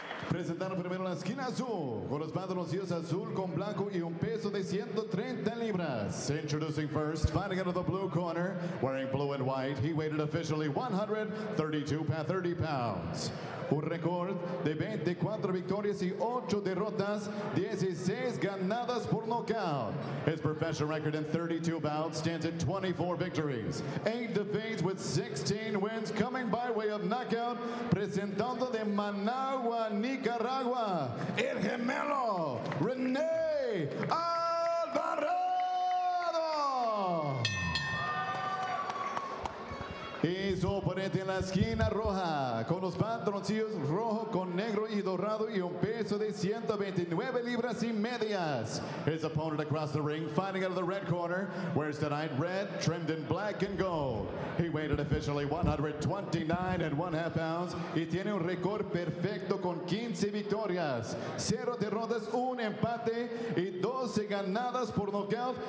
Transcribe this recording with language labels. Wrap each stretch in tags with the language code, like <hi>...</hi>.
<es>Presentaron primero la esquina azul, con los pantaloncillos azul con blanco y un peso de 130 libras.</es> <en>Introducing first, fighting out of the blue corner, wearing blue and white, he weighed officially 132 pounds.</en> <es>Un record de 24 victorias y 8 derrotas, 16 ganadas por knockout.</es> <en>His professional record in 32 bouts stands at 24 victories. 8 defeats with 16 wins coming by way of knockout.</en> <es>Presentando de Managua, Nicaragua, el gemelo, Rene Alvarado. Y su oponente en la esquina roja, con los pantaloncillos rojo con negro y dorado y un peso de 129 libras y medias.</es> <en>His opponent across the ring, fighting out of the red corner, wears tonight red, trimmed in black and gold. He weighed officially 129.5 pounds</en> <es>y tiene un récord perfecto con 15 victorias, 0 derrotas, 1 empate y 12 ganadas por nocaut.</es>